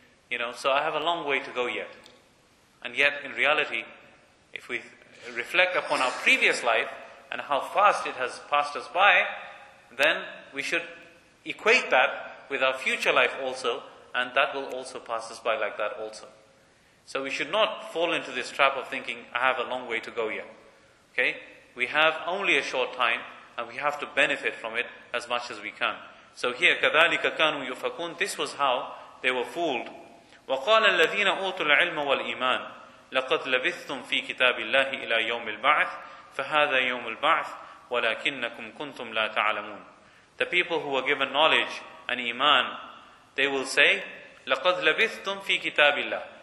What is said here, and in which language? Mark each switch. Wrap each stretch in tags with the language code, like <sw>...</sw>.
<en>You know, so I have a long way to go yet. And yet, in reality, if we reflect upon our previous life and how fast it has passed us by, then we should equate that with our future life also, and that will also pass us by like that also. So we should not fall into this trap of thinking, I have a long way to go yet. Okay? We have only a short time, and we have to benefit from it as much as we can. So here,</en> <ar>كَذَلِكَ كَانُوا يُفَكُونَ.</ar> <en>This was how they were fooled.</en> <ar>وَقَالَ الَّذِينَ أُوتُوا الْعِلْمَ وَالْإِيمَانِ لَقَدْ لَبِثْتُمْ فِي كِتَابِ اللَّهِ إِلَى يَوْمِ الْبَعْثِ فَهَذَا يَوْمُ الْبَعْثِ وَلَكِنَّكُمْ كُنْتُمْ لَا تَعْلَمُونَ.</ar> <en>The people who were given knowledge and iman, they will say,</en> <ar>لَقَدْ لَبِثْتُمْ فِي كِتَابِ اللَّهِ.</ar>